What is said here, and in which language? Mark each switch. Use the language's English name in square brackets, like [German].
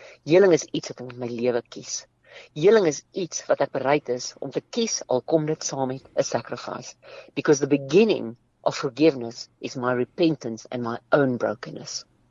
[Afrikaans] Heling is iets wat ek met my lewe kies. Heling is iets wat ek bereid is om te kies, al kom dit saam met 'n sacrifice. [English] Because the beginning of forgiveness is my repentance and my own brokenness.